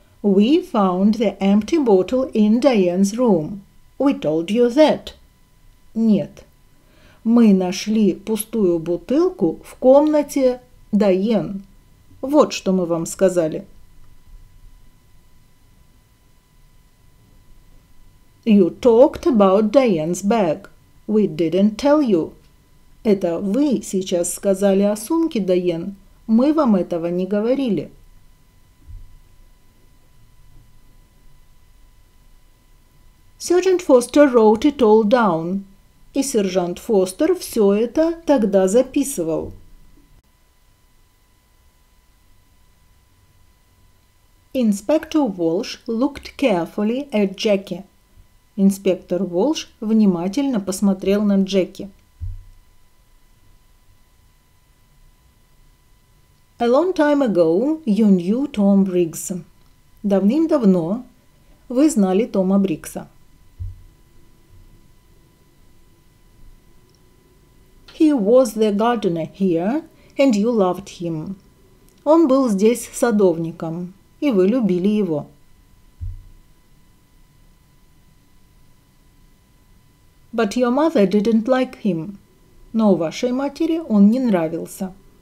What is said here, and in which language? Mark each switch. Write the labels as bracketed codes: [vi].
[en] We found the empty bottle in Diane's room. We told you that. [ru] Нет. Мы нашли пустую бутылку в комнате Дайен. Вот что мы вам сказали. [en] You talked about Diane's bag. We didn't tell you. [ru] Это вы сейчас сказали о сумке, Diane. Мы вам этого не говорили. [en] Sergeant Foster wrote it all down. [ru] И сержант Фостер все это тогда записывал. [en] Inspector Walsh looked carefully at Jackie. [ru] Инспектор Уолш внимательно посмотрел на Джеки. [en] A long time ago you knew Tom Briggs. [ru] Давным-давно вы знали Тома Бригса. [en] He was the gardener here, and you loved him. [ru] Он был здесь садовником, и вы любили его. [en] But your mother didn't like him. [ru] Но вашей матери он не нравился.